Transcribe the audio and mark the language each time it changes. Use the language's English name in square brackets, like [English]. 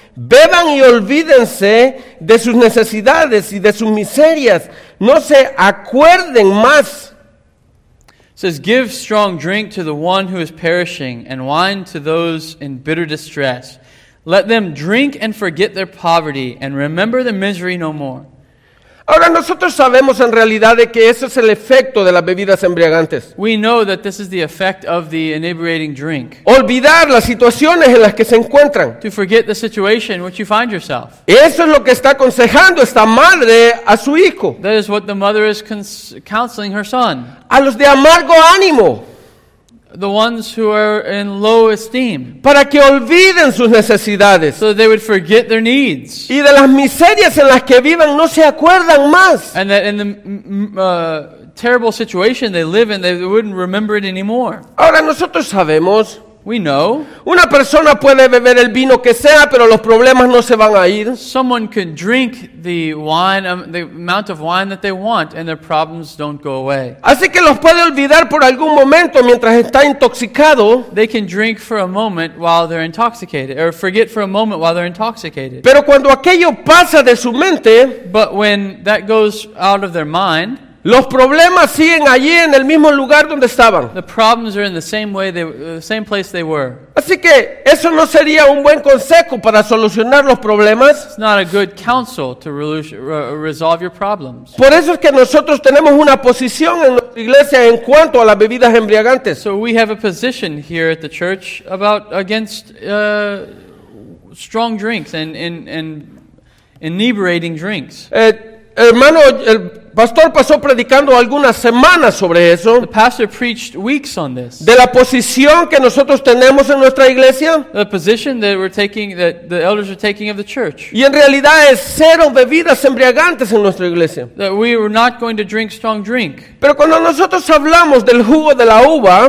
[Spanish] Beban y olvídense de sus necesidades y de sus miserias. No se acuerden más. [English] It says, give strong drink to the one who is perishing and wine to those in bitter distress. Let them drink and forget their poverty and remember their misery no more. [Spanish] Ahora nosotros sabemos en realidad de que ese es el efecto de las bebidas embriagantes. [English] We know that this is the effect of the inebriating drink. [Spanish] Olvidar las situaciones en las que se encuentran. [English] To forget the situation in which you find yourself. [Spanish] Eso es lo que está aconsejando esta madre a su hijo. [English] That is what the mother is counseling her son. [Spanish] A los de amargo ánimo. [English] The ones who are in low esteem. [Spanish] Para que olviden sus necesidades. [English] So they would forget their needs. [Spanish] Y de las miserias en las que vivan no se acuerdan más. [English] And that in the terrible situation they live in, they wouldn't remember it anymore. [Spanish] Ahora nosotros sabemos. [English] We know. [Spanish] Una persona puede beber el vino que sea, pero los problemas no se van a ir. [English] Someone can drink the wine, the amount of wine that they want, and their problems don't go away. [Spanish] Así que los puede olvidar por algún momento mientras está intoxicado. [English] They can drink for a moment while they're intoxicated, or forget for a moment while they're intoxicated. [Spanish] Pero cuando aquello pasa de su mente, [English] but when that goes out of their mind, [Spanish] los problemas siguen allí en el mismo lugar donde estaban. [English] The problems are in the same way, the same place they were. [Spanish] Así que eso no sería un buen consejo para solucionar los problemas. [English] It's not a good counsel to resolve your problems. [Spanish] Por eso es que nosotros tenemos una posición en nuestra iglesia en cuanto a las bebidas embriagantes. [English] So we have a position here at the church about against strong drinks and inebriating drinks. [Spanish] Hermano, el pastor pasó predicando algunas semanas sobre eso. [English] The pastor preached weeks on this. [Spanish] De la posición que nosotros tenemos en nuestra iglesia. [English] The position that we're taking, that the elders are taking of the church. [Spanish] Y en realidad es cero bebidas embriagantes en nuestra iglesia. [English] That we were not going to drink strong drink. [Spanish] Pero cuando nosotros hablamos del jugo de la uva,